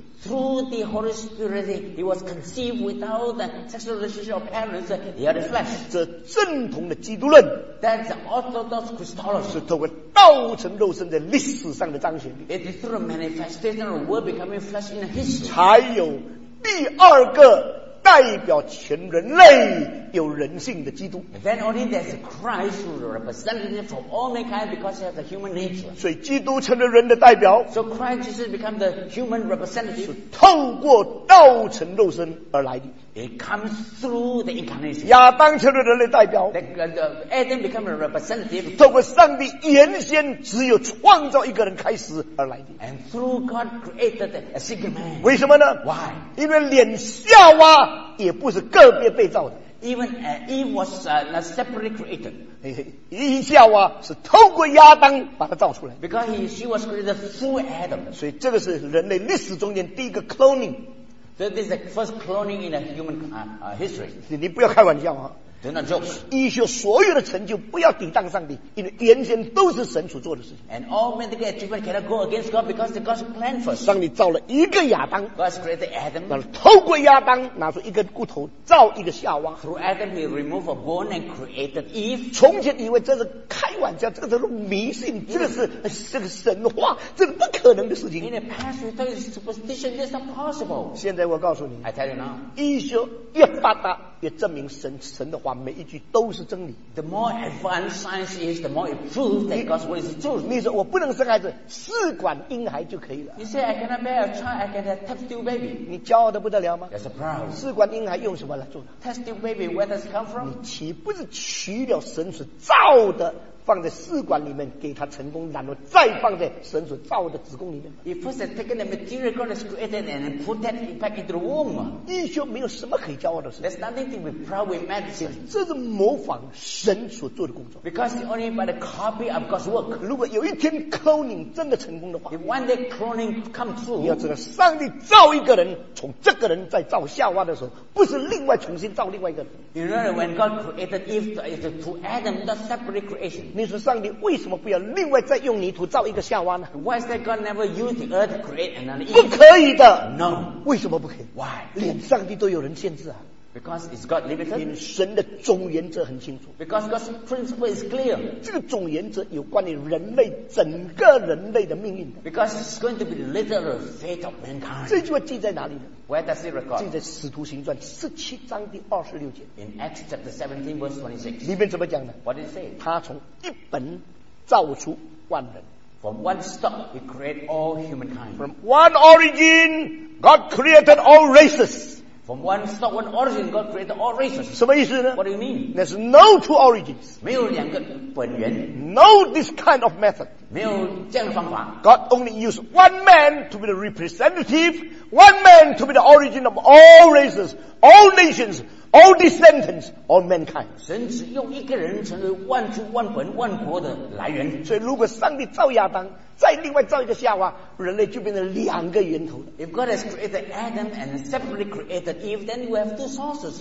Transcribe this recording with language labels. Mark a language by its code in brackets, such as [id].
[en] Through the Holy Spirit, he was conceived without the sexual relationship of parents, he had a flesh. [zh] 这正统的基督论 [en] That's the Orthodox Christology. [zh] 是透过道成肉身在历史上的彰显。 [en] It is through a manifestation of the word becoming flesh in history. [zh] 才有第二个代表全人类有人性的基督。 [en] Then only there's Christ who represented it for all mankind because he has a human nature. [zh] 所以基督成了人的代表。 [en] So Christ Jesus become the human representative. [zh] 是透过道成肉身而来的。 [en] It comes through the incarnation. [zh] 亚当成了人的代表。 [en] Adam become a representative. [zh] 透过上帝原先只有创造一个人开始而来的。 [en] And through God created a single man. [zh] 为什么呢 [en] ？Why？ [zh] 因为连夏娃也不是个别被造的。 [en] Even Eve was not separately created. [zh] 夏娃是透过亚当把它造出来。 [en] Because she was created through Adam. [zh] 所以这个是人类历史中间第一个 cloning. [en] So this is the first cloning in a human history. [zh] 你不要开玩笑啊。 [en] Do not joke. [zh] 医学所有的成就不要抵挡上帝，因为原先都是神所做的事情。 [en] And all medical achievement cannot go against God because the God's plan for. [zh] 上帝造了一个亚当。 [en] God created Adam. [zh] 然后透过亚当拿出一根骨头造一个夏娃。 [en] Through Adam he removed a bone and created Eve. [zh] 从前以为这是开玩笑，这个是迷信，这个神话，这个不可能的事情。 [en] In the past we thought it's superstition, it's not possible. [zh] 现在我告诉你。 [en] I tell you now. [zh] 医学越发达。也证明神的话每一句都是真理。 [en] The more advanced science is, the more it proves that God's word is true. [zh] 你说我不能生孩子，试管婴孩就可以了。 [en] You say I cannot bear a child, I can have test tube baby. [zh] 你骄傲得不得了吗 [en] ？That's proud. [zh] 试管婴孩用什么来做的 [en] ？Test tube baby, where does it come from? [zh] 你岂不是取了神所造的？放在试管里面给他成功，然后再放在神所造的子宫里面。 [en] He first has taken the material God has created and put that back into the womb. [zh] 医学没有什么可以骄傲的事。 [en] There's nothing to be proud with medicine. [zh] 这是模仿神所做的工作。 [en] Because only by the copy of God's work. [zh] 如果有一天 cloning 真的成功的话 [en] ，If one day cloning comes true， [zh] 你要知道，上帝造一个人，从这个人再造夏娃的时候，不是另外重新造另外一个人。 [en] You know when God created Eve, it's to Adam, not separate creation. [zh] 你说上帝为什么不要另外再用泥土造一个夏娃呢 [en] ？Why is that God never use the earth to create another Eve？ [zh] 不可以的。 [en] No。 [zh] 为什么不可以 [en] ？Why？ [zh] 连上帝都有人限制啊。 [en] Because it's God limited。 [zh] 因为神的总原则很清楚。 [en] Because God's principle is clear。 [zh] 这个总原则有关于人类整个人类的命运的。 [en] Because it's going to be the literal fate of mankind。 [zh] 这句话记在哪里呢 [en] ？Where does it record？ [zh] 记在《使徒行传》十七章第二十六节。 [en] In Acts chapter 17 verse 26。 [zh] 里面怎么讲呢 [en] ？What did it say？ [zh] 他从一本造出万人。 [en] From one stock, he created all humankind. From one origin, God created all races. From one stock, one origin, God created all races. [zh] 什么意思呢 [en] ？What do you mean? There's no two origins. [zh] 没有两个本源。 [en] No this kind of method. [zh] 没有这样的方法。 [en] God only used one man to be the representative, one man to be the origin of all races, all nations, all descendants, all mankind. [zh] 神只用一个人成为万族、万本、万国的来源。所以，如果上帝造亚当。再另外造一个夏娃，人类就变成两个源头了。 [en] If God has created Adam and separately created Eve, then you have two sources.